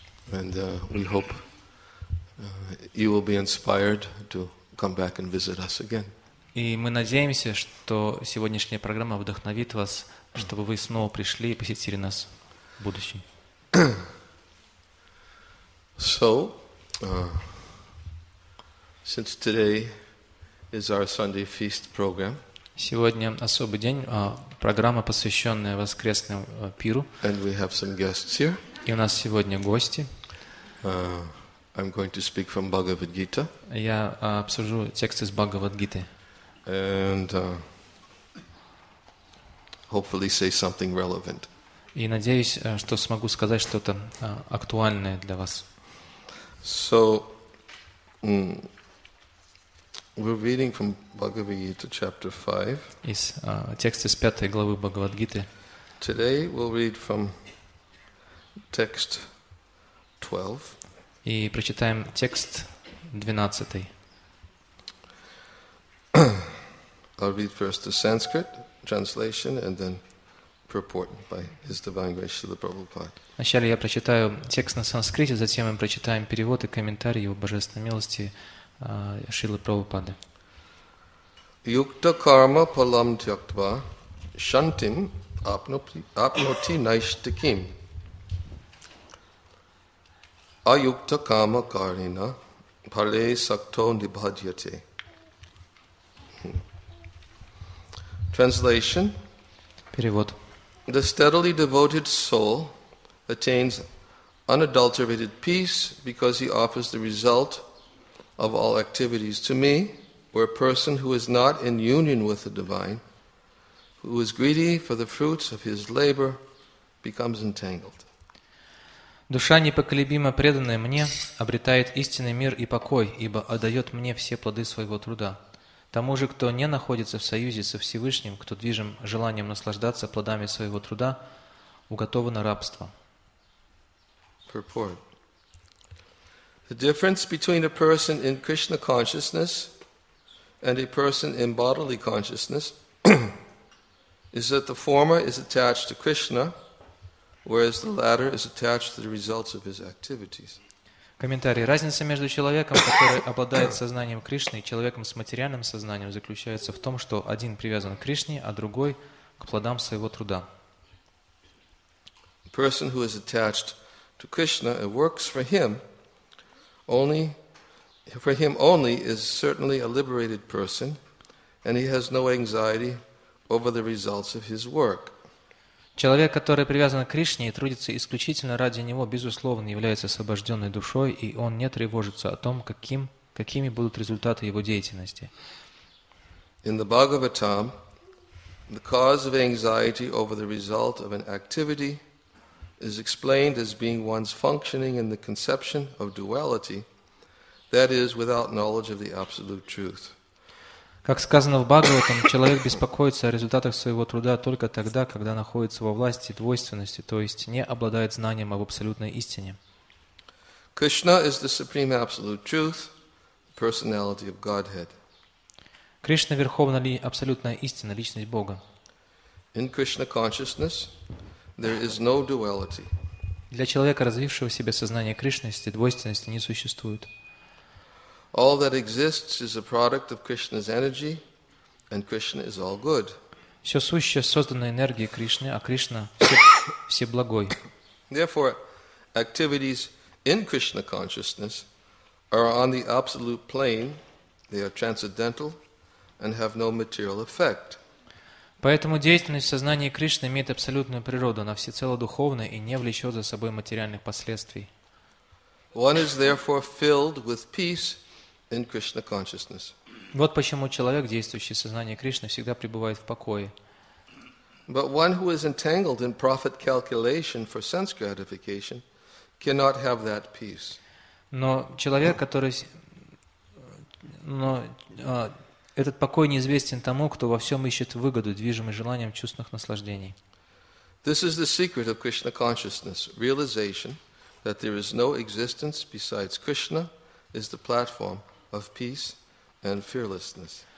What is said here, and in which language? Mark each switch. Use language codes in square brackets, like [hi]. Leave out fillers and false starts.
[en] And we hope you will be inspired to come back and visit us again. [ru] И мы надеемся, что сегодняшняя программа вдохновит вас, чтобы вы снова пришли и посетили нас в будущем. [en] So, since today is our Sunday feast program, [ru] сегодня особый день, программа, посвященная воскресному пиру. [en] And we have some guests here. [ru] И у нас сегодня гости. [en] I'm going to speak from Bhagavad Gita. [ru] Я обсужу текст из Бхагавад Гиты. [en] And hopefully say something relevant. [ru] И надеюсь, что смогу сказать что-то актуальное для вас. [en] So we're reading from Bhagavad Gita chapter 5. [ru] Из текста из пятой главы Бхагавад Гиты. [en] Today we'll read from text 12. [ru] И прочитаем текст 12. [en] I'll read first the Sanskrit translation and then purport by His Divine Grace Srila Prabhupada. [ru] Вначале я прочитаю текст на санскрите, затем мы прочитаем перевод и комментарий Его Божественной Милости Шрилы Прабхупады. [sa] Yukta karma palam tyaktva shantim apnoti naishtikim ayukta kama karina phale sakto nibhajyate. [en] Translation. [ru] Перевод. [en] The steadily devoted soul attains unadulterated peace because he offers the result of all activities. To me, where a person who is not in union with the divine, who is greedy for the fruits of his labor, becomes entangled. [ru] Душа непоколебимо преданная мне обретает истинный мир и покой, ибо отдает мне все плоды своего труда. Тому же, кто не находится в союзе со Всевышним, кто движим желанием наслаждаться плодами своего труда, уготовано рабство. [en] Purport. The difference between a person in Krishna consciousness and a person in bodily consciousness is that the former is attached to Krishna, whereas the latter is attached to the results of his activities. [ru] Комментарий. Разница между человеком, который обладает сознанием Кришны, и человеком с материальным сознанием заключается в том, что один привязан к Кришне, а другой – к плодам своего труда. [en] Person who is attached to Krishna and works for him, only for him only is certainly a liberated person, and he has no anxiety over the results of his work. [ru] Человек, который привязан к Кришне и трудится исключительно ради Него, безусловно, является освобожденной душой, и он не тревожится о том, какими будут результаты его деятельности. [en] In the Bhagavatam, the cause of anxiety over the result of an activity is explained as being one's functioning in the conception of duality, that is, without knowledge of the absolute truth. [ru] Как сказано в Бхагаватам, человек беспокоится о результатах своего труда только тогда, когда находится во власти двойственности, то есть не обладает знанием об абсолютной истине. [en] Krishna is the supreme absolute truth, personality of Godhead. [ru] Кришна – верховная абсолютная истина, личность Бога. [en] In Krishna consciousness there is no duality. [ru] Для человека, развившего в себе сознание Кришности, двойственности не существует. [en] All that exists is a product of Krishna's energy, and Krishna is all good. [ru] Все сущее создано энергией Кришны, а Кришна все благой. [en] Therefore, activities in Krishna consciousness are on the absolute plane; they are transcendental and have no material effect. [ru] Поэтому деятельность в сознании Кришны имеет абсолютную природу, она всецело духовная и не влечет за собой материальных последствий. [en] One is therefore filled with peace in Krishna consciousness. [ru] Вот почему человек, действующий в сознании Кришны, всегда пребывает в покое. [en] But one who is entangled in profit calculation for sense gratification cannot have that peace. [ru] Этот покой неизвестен тому, кто во всем ищет выгоду, движимый желанием чувственных наслаждений. [en] This is the secret of Krishna consciousness, realization that there is no existence besides Krishna is the platform of peace and fearlessness.